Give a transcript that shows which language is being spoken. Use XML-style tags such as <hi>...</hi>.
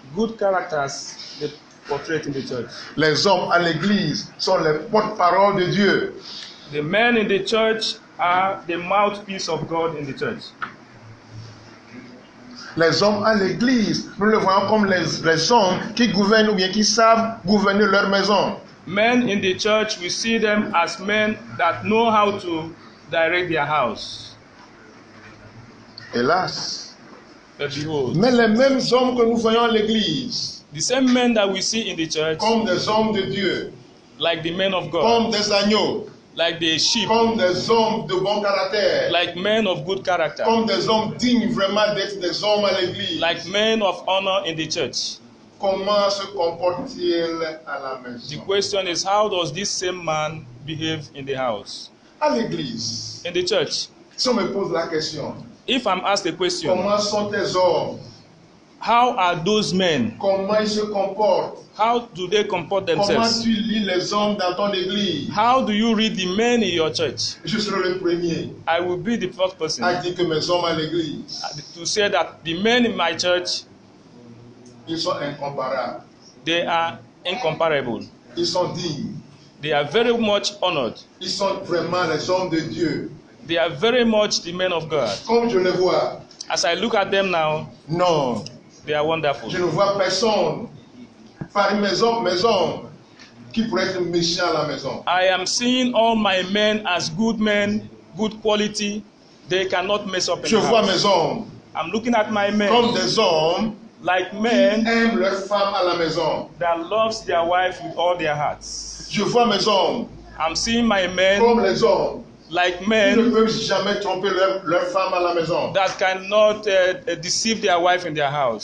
<en>Good characters they portray in the church.</en> <fr>Les hommes à l'église sont les porte-parole de Dieu.</fr> <en>The men in the church are the mouthpiece of God in the church.</en> <fr>Les hommes à l'église, nous le voyons comme les hommes qui gouvernent ou bien qui savent gouverner leur maison.</fr> <en>Men in the church, we see them as men that know how to direct their house.</en> <fr>Hélas.</fr> <en>But behold,</en> <fr>mais les mêmes hommes que nous voyons à l'église,</fr> <en>the same men that we see in the church,</en> <fr>comme des hommes de Dieu,</fr> <en>like the men of God,</en> <fr>comme des agneaux,</fr> <en>like the sheep,</en> <fr>comme des hommes de bon caractère,</fr> <en>like men of good character,</en> <fr>comme des hommes dignes vraiment d'être des hommes à l'église,</fr> <en>like men of honor in the church.</en> <fr>Comment se comporte-t-il à la maison?</fr> <en>The question is, how does this same man behave in the house?</en> <fr>À l'église,</fr> <en>in the church.</en> <fr>Si on me pose la question,</fr> <en>if I'm asked a question,</en> <fr>comment sont tes hommes?</fr> <en>How are those men?</en> <fr>Comment ils se comportent?</fr> <en>How do they comport themselves?</en> <fr>Comment tu lis les hommes dans ton église?</fr> <en>How do you read the men in your church?</en> <fr>Je serai le premier.</fr> <en>I will be the first person.</en> <fr>À dire que mes hommes à l'église,</fr> <en>to say that the men in my church,</en> <fr>ils sont incomparables.</fr> <en>They are incomparable.</en> <fr>Ils sont dignes.</fr> <en>They are very much honored.</en> <fr>Ils sont vraiment les hommes de Dieu.</fr> <en>They are very much the men of God.</en> <fr>Comme je les vois.</fr> <en>As I look at them now, no, they are wonderful.</en> <fr>Je ne vois personne parmi mes hommes qui pourrait être méchant à la maison.</fr> <en>I am seeing all my men as good men, good quality. They cannot mess up.</en> <fr>Je vois mes hommes.</fr> <en>I'm looking at my men</en> <fr>comme des hommes,</fr> <en>like men,</en> <fr>qui aiment leur femme à la maison,</fr> <en>that loves their wife with all their hearts.</en> <fr>Je vois mes hommes.</fr> <en>I'm seeing my men</en> <fr>comme les hommes.</fr> <en>Like men,</en> <fr>ils ne peuvent jamais tromper leur femme à la maison.</fr> <en>That cannot deceive their wife in their house.</en>